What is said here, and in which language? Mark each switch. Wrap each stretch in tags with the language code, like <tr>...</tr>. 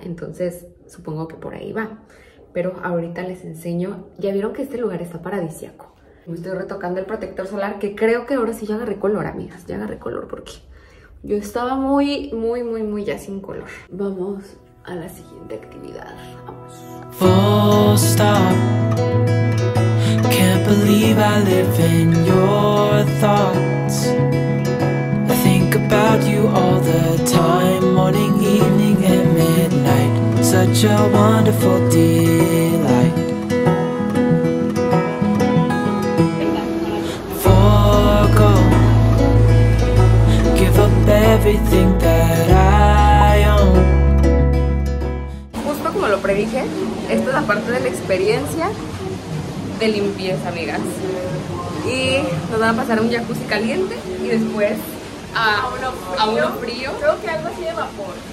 <es>Entonces supongo que por ahí va. Pero ahorita les enseño. Ya vieron que este lugar está paradisíaco. Me estoy retocando el protector solar, que creo que ahora sí ya agarré color, amigas. Ya agarré color porque yo estaba muy, muy, muy, muy ya sin color. Vamos a la siguiente actividad. Vamos.</es> <en>Full stop. Can't believe I live in your thoughts. I think about about you all the time, morning, evening, and midnight. Such a wonderful delight. Forgo, give up everything that I own.</en> <es>Justo como lo predije, esta es la parte de la experiencia de limpieza, amigas. Y nos van a pasar a un jacuzzi caliente y después a uno frío. Creo que algo así de vapor.</es>